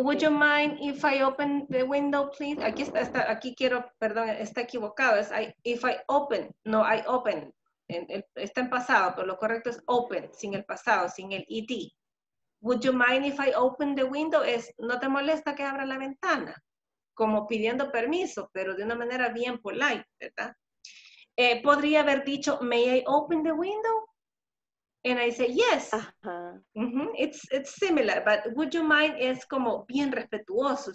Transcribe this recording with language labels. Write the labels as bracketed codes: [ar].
[en] Would you mind if I open the window, please? [es] Aquí está, está aquí quiero, perdón, está equivocado. Es [en] if I open, no, I open. [es] Está en pasado, pero lo correcto es open, sin el pasado, sin el ed. [en] Would you mind if I open the window? [es] Es, ¿no te molesta que abra la ventana? Como pidiendo permiso, pero de una manera bien polite, ¿verdad? Podría haber dicho, [en] may I open the window? And I say, yes. Uh-huh. Mm-hmm. It's similar, but would you mind [es] es como bien respetuoso.